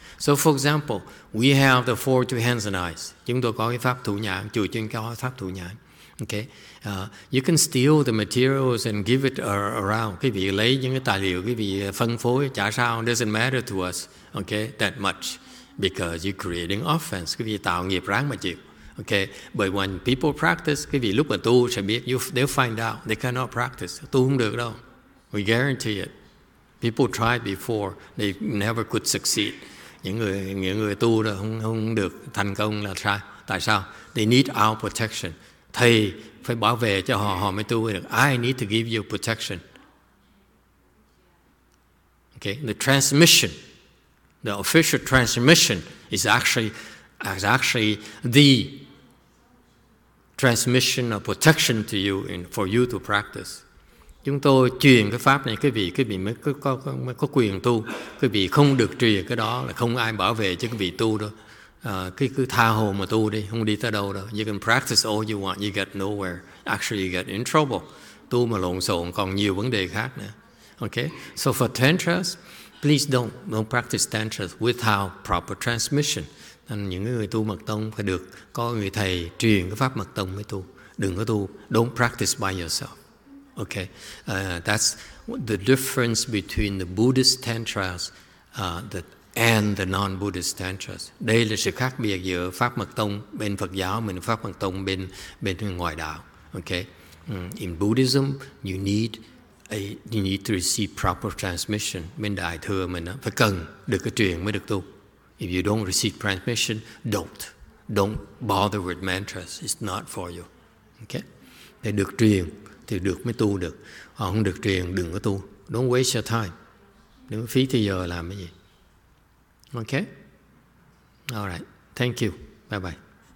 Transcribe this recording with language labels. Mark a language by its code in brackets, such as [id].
[en] So for example, we have the four two hands and eyes. [vi] Chúng tôi có cái pháp thủ nhãn, chùa chuyên có pháp thủ nhãn. [en] Okay. You can steal the materials and give it around. [vi] Cái vị lấy những cái tài liệu, cái vị phân phối, chả sao, [en] doesn't matter to us, okay, that much, because you're creating offense. [vi] Cái vị tạo nghiệp ráng mà chịu. [en] Okay, but when people practice, [vi] cái vị lúc mà tu sẽ biết, [en] they'll find out they cannot practice. [vi] Tu không được đâu. [en] We guarantee it. People tried before, they never could succeed. [vi] Những người tu là không được thành công là sai. Tại sao? [en] They need our protection. [vi] Thầy phải bảo vệ cho họ, họ mới tu được. [en] I need to give you protection. Okay, the transmission, the official transmission is actually the transmission of protection to you and for you to practice. [vi] Chúng tôi truyền cái pháp này, quý vị mới có quyền tu. Quý vị không được truyền cái đó là không ai bảo vệ cho quý vị tu đâu. Cứ tha hồ mà tu đi, không đi tới đâu đâu. [en] You can practice all you want, you get nowhere. Actually, you get in trouble. [vi] Tu mà lộn xộn còn nhiều vấn đề khác nữa. [en] Okay? So for tantras, please don't practice tantras without proper transmission. [vi] Nên những người tu Mật Tông phải được có người thầy truyền cái pháp Mật Tông mới tu. Đừng có tu, [en] don't practice by yourself. Okay, that's the difference between the Buddhist tantras and the non-Buddhist tantras. [vi] Đây là sự khác biệt giữa pháp mật tông bên Phật giáo mình pháp mật tông bên bên ngoại đạo. [en] Okay, in Buddhism you need a you need to receive proper transmission. [vi] Bên đại thừa mình á phải cần được cái truyền mới được tu. [en] If you don't receive transmission, don't bother with mantras. It's not for you. [vi] Okay, để được truyền thì được mới tu được. Họ không được truyền đừng có tu. [en] Don't waste your time. [vi] Đừng phí thời giờ làm cái gì. [en] Okay. All right. Thank you. Bye bye.